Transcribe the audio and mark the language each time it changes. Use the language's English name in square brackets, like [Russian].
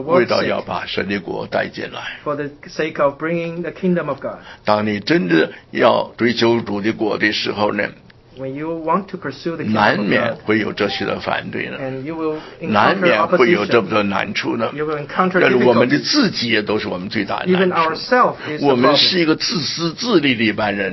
[Chinese] 为了要把神的国带进来 [English] for the sake of bringing the kingdom of God. [Chinese] 当你真的要追求主的国的时候呢 [English] When you want to pursue the kingdom [Chinese] 难免会有这些的反对呢 [English] and you will encounter [Chinese] 难免会有这么多难处呢 [English] you will encounter [Chinese] 但是我们的自己也都是我们最大的难处 [English] Even ourself is [Chinese] 我们是一个自私自利的一般人